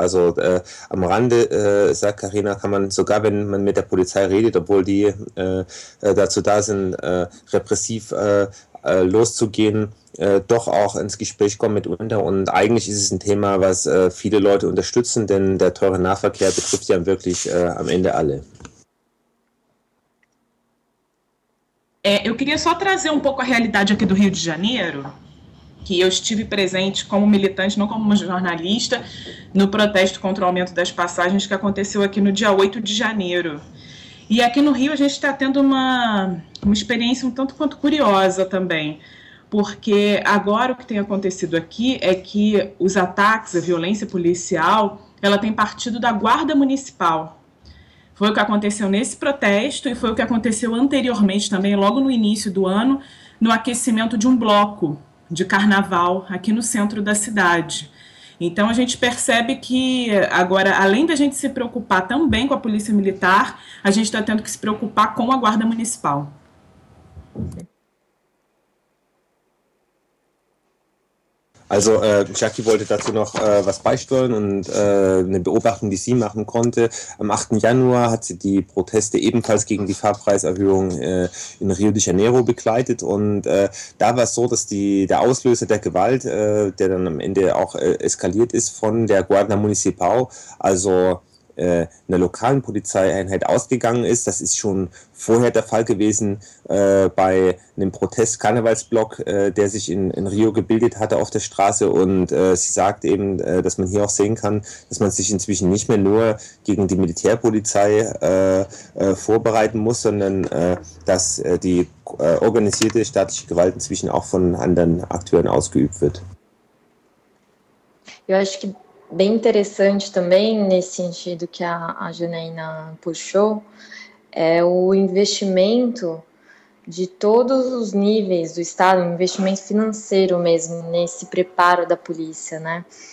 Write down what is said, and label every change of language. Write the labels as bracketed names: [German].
[German] Also am Rande, sagt Carina, kann man sogar, wenn man mit der Polizei redet, obwohl die dazu da sind, repressiv loszugehen, doch auch ins Gespräch kommen mitunter. Und eigentlich ist es ein Thema, was viele Leute unterstützen, denn der teure Nahverkehr betrifft ja wirklich am Ende alle. [Portuguese] Eu queria só trazer um pouco a realidade aqui do Rio de Janeiro, que eu estive presente como militante, não como jornalista, no protesto contra o aumento das passagens que aconteceu aqui no dia 8 de janeiro. E aqui no Rio a gente está tendo uma experiência um tanto quanto curiosa também, porque agora o que tem acontecido aqui é que os ataques, a violência policial, ela tem partido da Guarda Municipal. Foi o que aconteceu nesse protesto e foi o que aconteceu anteriormente também, logo no início do ano, no aquecimento de um bloco de carnaval aqui no centro da cidade. Então a gente percebe que agora, além da gente se preocupar também com a polícia militar, a gente está tendo que se preocupar com a guarda municipal. [German] Also Jackie wollte dazu noch was beisteuern und eine Beobachtung, die sie machen konnte. Am 8. Januar hat sie die Proteste ebenfalls gegen die Fahrpreiserhöhung in Rio de Janeiro begleitet. Und da war es so, dass der Auslöser der Gewalt, der dann am Ende auch eskaliert ist, von der Guardia Municipal, also einer lokalen Polizeieinheit, ausgegangen ist. Das ist schon vorher der Fall gewesen bei einem Protest-Karnevalsblock, der sich in Rio gebildet hatte auf der Straße. Und sie sagt eben, dass man hier auch sehen kann, dass man sich inzwischen nicht mehr nur gegen die Militärpolizei vorbereiten muss, sondern dass die organisierte staatliche Gewalt inzwischen auch von anderen Akteuren ausgeübt wird. Ja, ich [Portuguese] bem interessante também, nesse sentido que a Janaína puxou, é o investimento de todos os níveis do Estado, investimento financeiro mesmo, nesse preparo da polícia, né?